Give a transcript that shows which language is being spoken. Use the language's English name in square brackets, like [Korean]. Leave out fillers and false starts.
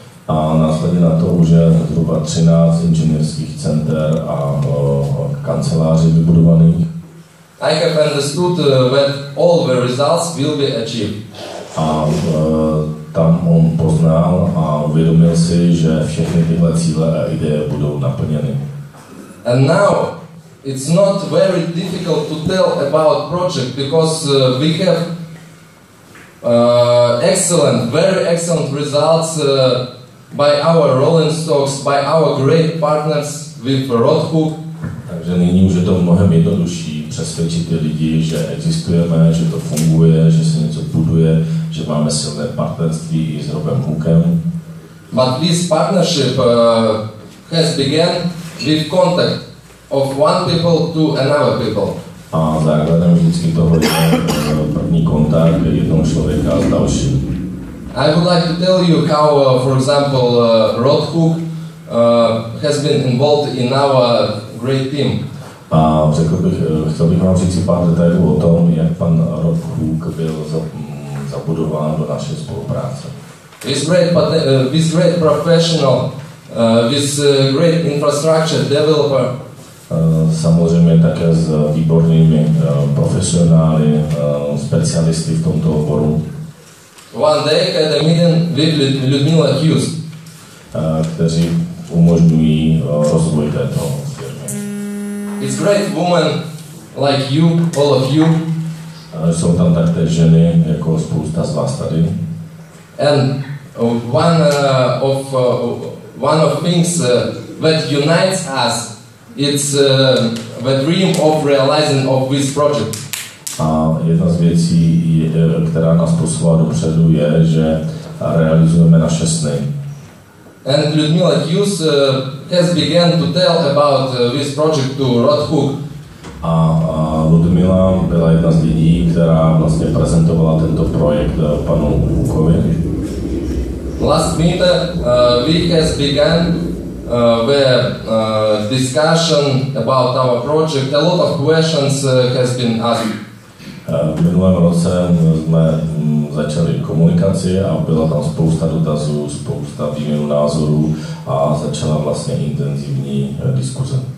[Czech] A následně na to už je zhruba 13 inženýrských center a kanceláří vybudovaných. [English] I have understood that all the results will be achieved. [Czech] A tam on poznal a uvědomil si, že všechny tyhle cíle a ideje budou naplněny. [English] And now it's not very difficult to tell about project because we have excellent, very excellent results by our rolling stocks, by our great partners with Rothhook. [Czech] Takže nyní už je to mnohem jednodušší přesvědčit ty lidi, že existujeme, že to funguje, že se něco buduje, že máme silné partnerství i s Rothhookem. [English] But this partnership has begun with contact of one people to another people. [Czech] A základem vždycky toho je první kontakt jednoho člověka s dalším. [English] I would like to tell you how, for example, Rothhook has been involved in our great team. [Czech] A řekl bych, chtěl bych vám říct pár detailů o tom, jak pan Rob Cook byl zabudován do naší spolupráce. [English] This great, this great professional, this great infrastructure developer. [Czech] Samozřejmě také s výbornými profesionály, specialisty v tomto oboru. [English] One day at a meeting with Ludmila Hughes. [Czech] Kteří umožňují rozvoj této firmy. [English] It's great woman like you, all of you. [Czech] Jsou tam také ženy, jako spousta z vás tady. [English] And one of things that unites us, it's the dream of realizing of this project. [Czech] A jedna z věcí, která nás posouvá dopředu, je, že realizujeme naše sny. [English] And Ludmila Hughes has begun to tell about this project to Rod Hook. [Czech] A Ludmila byla jedna z lidí, která vlastně prezentovala tento projekt panu Hookovi. [English] Last minute, we has begun the discussion about our project. A lot of questions has been asked. [Czech] V minulém roce jsme začali komunikaci a byla tam spousta dotazů, spousta výměnů názorů a začala vlastně intenzivní diskuze.